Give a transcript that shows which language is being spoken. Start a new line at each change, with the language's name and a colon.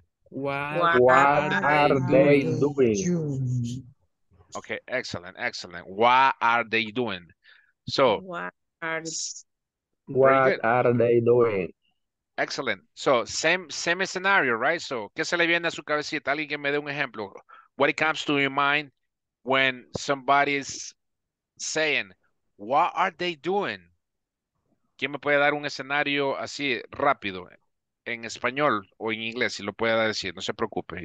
English: What are they doing? Okay, excellent, excellent. What are they doing? So, what are they doing? Excellent. So, same scenario, right?
Spanish: So, ¿qué se le viene a su cabecita? Alguien que me dé un ejemplo.
English: What it comes to your mind when somebody's saying, what are they doing?
Spanish: ¿Quién me puede dar un escenario así rápido? En español o en inglés, si lo puede decir, no se preocupe.